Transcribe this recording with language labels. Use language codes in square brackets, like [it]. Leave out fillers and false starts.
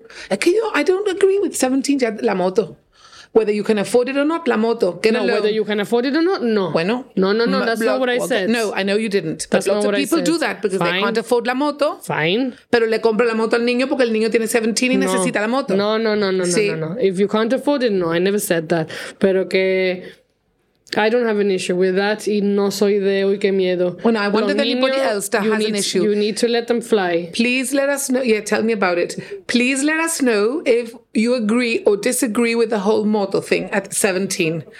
[es] Es que yo, [en] I don't agree with 17, [es] ya, la moto. [en] Whether you can afford it or not, [es] la moto. [en] No, whether you can afford it or not, no. [es] Bueno. [en] No, that's not what I said. No, I know you didn't. That's but lots of people do that because fine. They can't afford [es] la moto. [en] Fine. [es] Pero le compra la moto al niño porque el niño tiene 17 y necesita la moto. [en] No. If you can't afford it, no, I never said that. [es] Pero que [en] I don't have an issue with that [es] y no soy de, uy, qué miedo. [en] Bueno, I wonder if anybody else that has an issue. You need to let them fly. Please let us know. Yeah, tell me about it. Please let us know if you agree or disagree with the whole moto thing at 17.